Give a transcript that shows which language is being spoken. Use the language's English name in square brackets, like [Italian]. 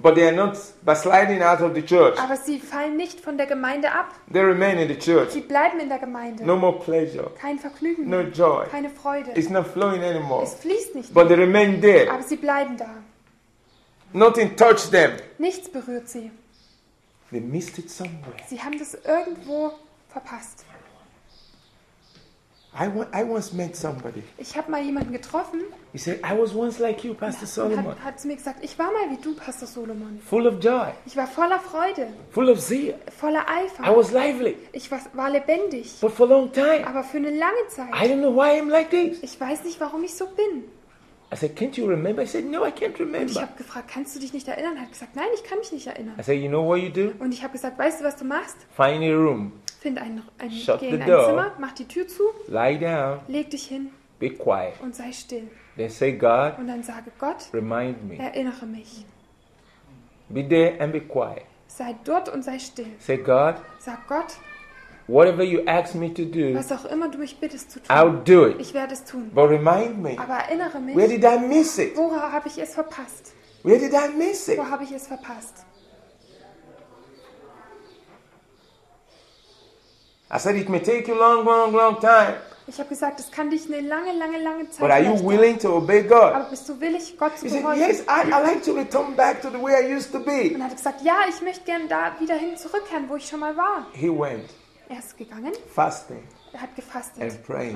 [English] But they are not sliding out of the church. [German] Aber sie fallen nicht von der Gemeinde ab. [English] They remain in the church. [German] Sie bleiben in der Gemeinde. [English] No more pleasure. [German] Kein Vergnügen. [English] No joy. [German] Keine Freude. [English] It's not flowing anymore. [German] Es fließt nicht [English] But [German] mehr. [English] They remain there. [German] Aber sie bleiben da. [English] Nothing touched them. [German] Nichts berührt sie. [English] They missed it somewhere. [German] Sie haben das irgendwo verpasst. [English] I once met somebody. [German] Ich habe mal jemanden getroffen. [English] He said, I was once like you, Pastor Solomon. [German] Hat zu mir gesagt, ich war mal wie du, Pastor Solomon. [English] Full of joy. [German] Ich war voller Freude. [English] Full of zeal. [German] Voller Eifer. [English] I was lively. [German] Ich war lebendig. [English] But for a long time. [German] Aber für eine lange Zeit. [English] I don't know why I'm like this. [German] Ich weiß nicht, warum ich so bin. [English] I said, can't you remember? I said, no, I can't remember. [German] Und ich habe gefragt, kannst du dich nicht erinnern? Er hat gesagt, nein, ich kann mich nicht erinnern. [English] I said, you know what you do? [German] Und ich habe gesagt, weißt du, was du machst? [English] Find a room. Find ein Shut geh in the ein door. Zimmer, mach die Tür zu. Lie down. [German] Leg dich hin. [English] Be quiet. [German] Und sei still. [English] Then say God. [German] Und dann sage Gott. [English] Remind me. [German] Erinnere mich. [English] Be there and be quiet. [German] Sei dort und sei still. [English] Say God. [German] Sag Gott. [English] Whatever you ask me to do, [German] was auch immer du mich bittest zu tun, [English] I'll do it. [German] Ich werde es tun. [English] But remind me. [German] Aber erinnere mich. [English] Where did I miss it? [German] Wo habe ich es verpasst? [English] Where did I miss it? [German] Wo habe ich es verpasst? [English] I said it may take you long, long, long time. [German] Ich habe gesagt, es kann dich eine lange, lange, lange Zeit. [English] But are you willing to obey God? [German] Aber bist du willig, Gott zu gehorchen? [English] He said, yes, I like to return back to the way I used to be. [German] Und hat gesagt, ja, ich möchte gerne da wieder hin zurückkehren, wo ich schon mal war. [English] He went. [German] Er ist gegangen. [English] Fasting. [German] Er hat gefastet [English] and praying.